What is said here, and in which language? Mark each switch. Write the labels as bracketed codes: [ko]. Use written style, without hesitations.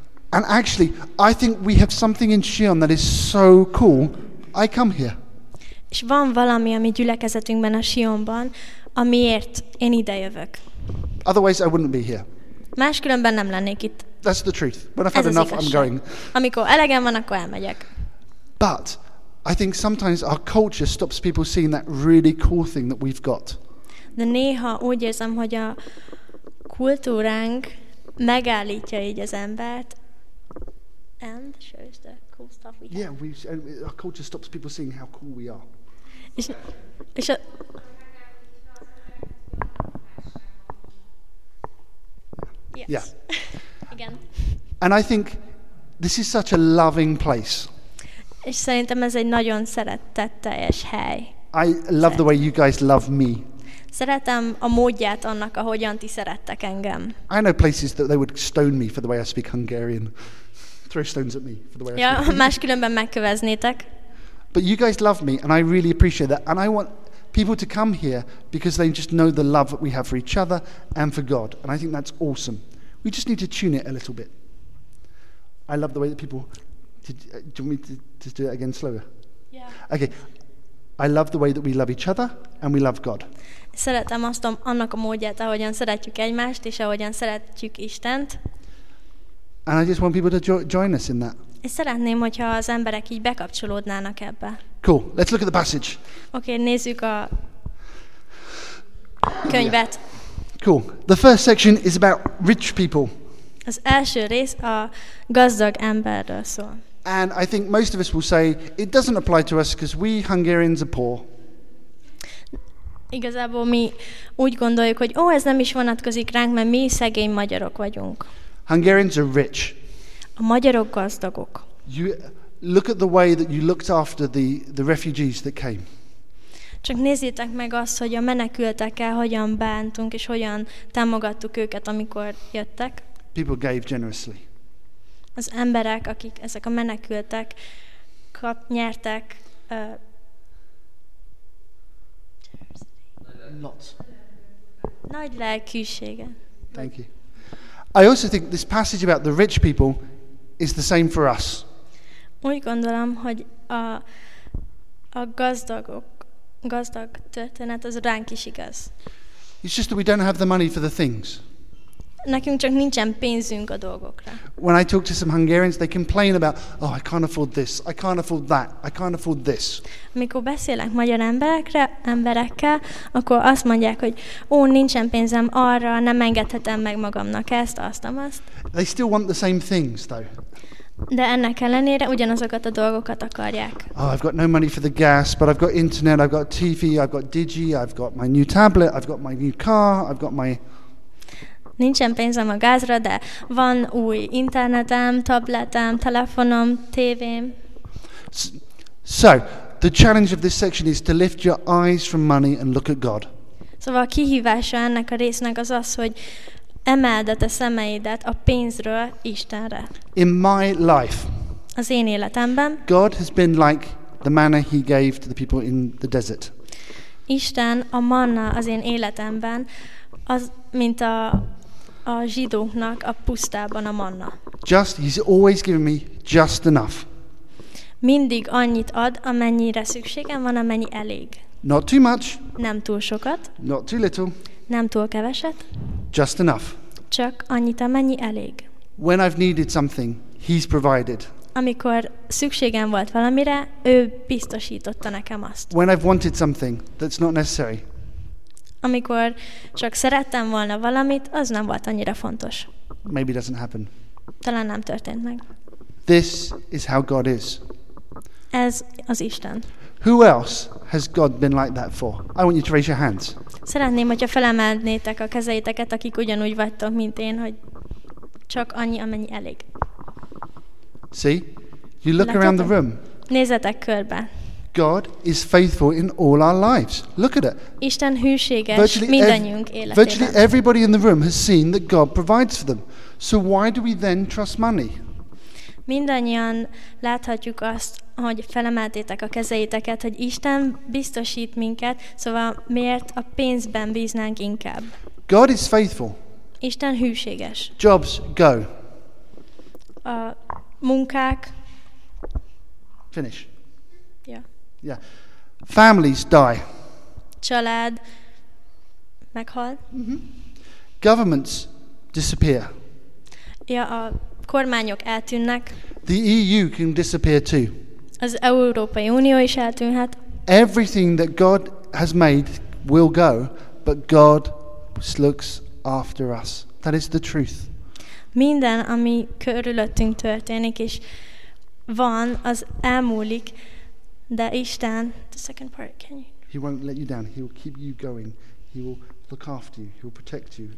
[en] And actually, I think we have something in Sion that is so cool. I come here. [hu] És van valami, ami gyülekezetünkben a Sionban, amiért én ide jövök. [en] Otherwise I wouldn't be here. [hu] Máskülönben nem lennék itt. [en] That's the truth. When I've had enough, I'm going. [hu] Amikor elegem van, akkor elmegyek. [en] But I think sometimes our culture stops people seeing that really cool thing that we've got. [hu] de néha úgy érzem, hogy a kultúránk megállítja így az embert. [en] And shows the cool stuff we have. Yeah, we our culture stops people seeing how cool we are. És yes. Yeah. Again. And I think this is such a loving place. [hu] És szerintem ez egy nagyon szeretetteljes hely. [en] I love the way you guys love me. [hu] Szeretem a módját annak, ahogyan ti szerettek engem. [en] I know places that they would stone me for the way I speak Hungarian. Throw stones at me for the way I speak. [hu] Ja, máskülönben megköveznétek. [en] But you guys love me and I really appreciate that and I want people to come here because they just know the love that we have for each other and for God and I think that's awesome. We just need to tune it a little bit. I love the way that people do you want me to do it again slower? Yeah. Okay. I love the way that we love each other and we love God. [hu] Szeretem azt annak a módját, ahogyan szeretjük egymást és ahogyan szeretjük Istent. [en] And I just want people to join us in that. [hu] És szeretném, hogyha az emberek így bekapcsolódnának ebbe. [en] Cool. Let's look at the passage. [hu] Oké, okay, nézzük a könyvet. [en] Yeah. Cool. The first section is about rich people. [hu] Az első rész a gazdag emberről szól. [en] And I think most of us will say it doesn't apply to us because we Hungarians are poor. [hu] Igazából mi úgy gondoljuk, hogy ez nem is vonatkozik ránk, mert mi szegény magyarok vagyunk. [en] Hungarians are rich. [hu] A magyarok gazdagok. [en] You look at the way that you looked after the refugees that came. [hu] Csak nézzétek meg azt, hogy a menekültekkel hogyan bántunk és hogyan támogattuk őket, amikor jöttek. [en] People gave generously. [hu] Az emberek, akik ezek a menekültek nyertek. Nagy lelkűségen. [en] Thank you. I also think this passage about the rich people is the same for us. [hu] Úgy gondolom, hogy a gazdag történet az ránk is igaz. [en] It's just that we don't have the money for the things. [hu] Nekünk csak nincsen pénzünk a dolgokra. [en] When I talk to some Hungarians, they complain about, oh, I can't afford this, I can't afford that, I can't afford this. [hu] Amikor beszélek magyar emberekkel, akkor azt mondják, hogy ó, nincsen pénzem arra, nem engedhetem meg magamnak ezt, azt, amazt. [en] They still want the same things, though. [hu] De ennek ellenére ugyanazokat a dolgokat akarják. [en] Oh, I've got no money for the gas, but I've got internet, I've got TV, I've got Digi, I've got my new tablet, I've got my new car, I've got my... [hu] Nincsen pénzem a gázra, de van új internetem, tabletem, telefonom, tévém. [en] So, the challenge of this section is to lift your eyes from money and look at God. [hu] Szóval a kihívása ennek a résznek az az, hogy emeld a te szemeidet a pénzről Istenre. [en] In my life. [hu] Az én életemben. [en] God has been like the manna he gave to the people in the desert. [hu] Isten a manna az én életemben, az mint a zsidóknak a pusztában a manna. [en] Just, he's always given me just enough. [hu] Mindig annyit ad, amennyire szükségem van, amennyi elég. [en] Not too much. [hu] Nem túl sokat. [en] Not too little. [hu] Nem túl keveset. [en] Just enough. [hu] Csak annyit, amennyi elég. [en] When I've needed something, he's provided. [hu] Amikor szükségem volt valamire, ő biztosította nekem azt. [en] When I've wanted something, that's not necessary. [hu] Amikor csak szerettem volna valamit, az nem volt annyira fontos. [en] Maybe doesn't happen. [hu] Talán nem történt meg. [en] This is how God is. [hu] Ez az Isten. [en] Who else has God been like that for? I want you to raise your hands. [hu] Szeretném, hogyha felemelnétek a kezeiteket, akik ugyanúgy vagytok, mint én, hogy csak annyi, amennyi elég. [en] See? You look around the room. [hu] Nézzetek körbe. [en] God is faithful in all our lives. Look at it. [hu] Isten hűséges mindannyiunk életében. [en] Virtually everybody in the room has seen that God provides for them. So why do we then trust money? [hu] Mindannyian láthatjuk azt, hogy felemeltétek a kezeiteket, hogy Isten biztosít minket, szóval miért a pénzben bíznánk inkább? [en] God is faithful. [hu] Isten hűséges. [en] Jobs, go. [hu] A munkák. [en] Finish. Yeah. Yeah. Families die. [hu] Család meghal. [en] Mm-hmm. Governments disappear. [hu] Ja, a kormányok eltűnnek. [en] The EU can disappear too. [hu] Az Európai Unió is eltűnhet. [en] Everything that God has made will go, but God looks after us. That is the truth. [hu] Minden, ami körülöttünk történik, és van, az elmúlik, de Isten, [en] the second part, can you? He won't let you down. He will keep you going. He will look after you. He will protect you.